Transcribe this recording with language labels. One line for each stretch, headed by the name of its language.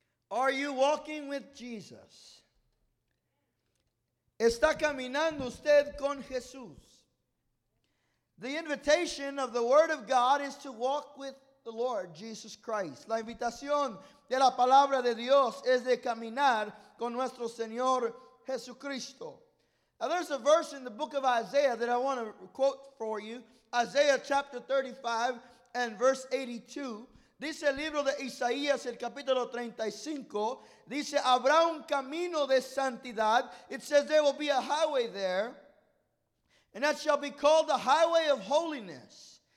English: Are you walking with Jesus?
Spanish: ¿Está caminando usted con Jesús?
English: The invitation of the word of God is to walk with the Lord Jesus Christ.
Spanish: La invitación de la palabra de Dios es de caminar con nuestro Señor Jesucristo.
English: Now there's a verse in the book of Isaiah that I want to quote for you. Isaiah chapter 35 and verse 82.
Spanish: Dice el libro de Isaías, el capítulo 35. Dice, habrá un camino de santidad.
English: It says there will be a highway there, and that shall be called the highway of holiness.